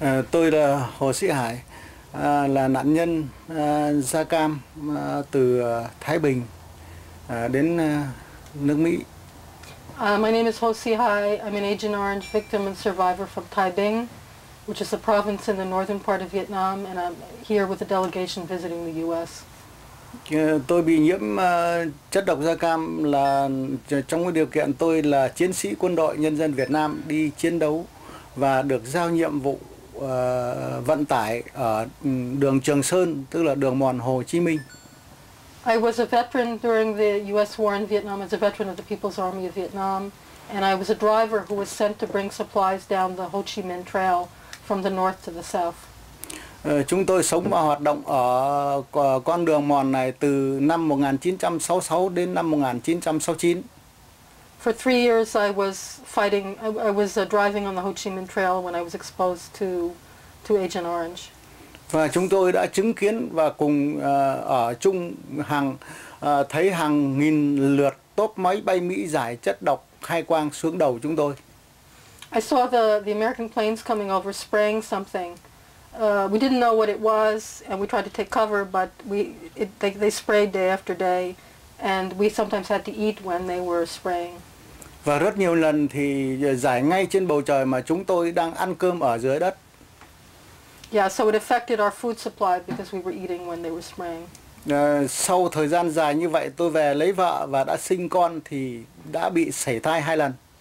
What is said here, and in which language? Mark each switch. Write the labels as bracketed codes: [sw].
[vi] Tôi là Hồ Sĩ Hải, là nạn nhân da cam từ Thái Bình đến nước Mỹ. [en] My name is Hồ Sĩ Hải. I'm an Agent Orange victim and survivor from Thái Bình, which is a province in the northern part of Vietnam, and I'm here with a delegation visiting the U.S. [vi] Tôi bị nhiễm chất độc da cam là trong cái điều kiện tôi là chiến sĩ quân đội nhân dân Việt Nam đi chiến đấu và được giao nhiệm vụ vận tải ở đường Trường Sơn, tức là đường mòn Hồ Chí Minh. [en] I was a veteran during the U.S. war in Vietnam as a veteran of the People's Army of Vietnam, and I was a driver who was sent to bring supplies down the Ho Chi Minh Trail from the north to the south. [vi] Chúng tôi sống và hoạt động ở con đường mòn này từ năm 1966 đến năm 1969. [en] For 3 years I was fighting, I was driving on the Ho Chi Minh Trail when I was exposed to Agent Orange. [vi] Và chúng tôi đã chứng kiến và cùng ở chung hàng thấy hàng nghìn lượt tốp máy bay Mỹ giải chất độc khai quang xuống đầu chúng tôi. [en] I saw the American planes coming over spraying something. We didn't know what it was and we tried to take cover, but they sprayed day after day, and we sometimes had to eat when they were spraying. [vi] Và rất nhiều lần thì giải ngay trên bầu trời mà chúng tôi đang ăn cơm ở dưới đất. [en] Yeah, so it affected our food supply because we were eating when they were spraying. [vi] Sau thời gian dài như vậy, tôi về lấy vợ và đã sinh con thì đã bị sảy thai 2 lần.